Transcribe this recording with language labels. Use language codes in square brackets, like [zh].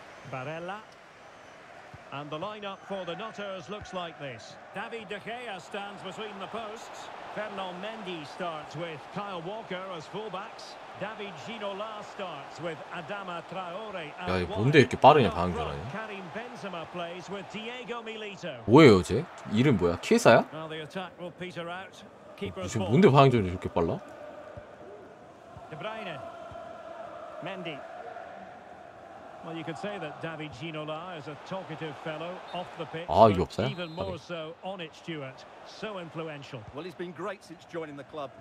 [en] Barella. And the lineup for the Nutters looks like this. David De Gea stands between the posts. Fernand Mendy starts with Kyle Walker as fullbacks. David Ginola starts with Adama Traore. [ko] 야, 이게 뭔데 이렇게 빠르냐 방향전환이? [en] Karim Benzema plays with Diego Milito. [ko] 뭐예요, 쟤? 이름 뭐야? 키에사야? 지금 뭔데 방향전환이 이렇게 빨라? [en] De Bruyne. Mendy. Well, you could say that David Ginola is a talkative fellow off the pitch. [ko] 아, 이거 없어요? [en] Even more so on it, Stuart. So influential. Well, he's been great since joining the club.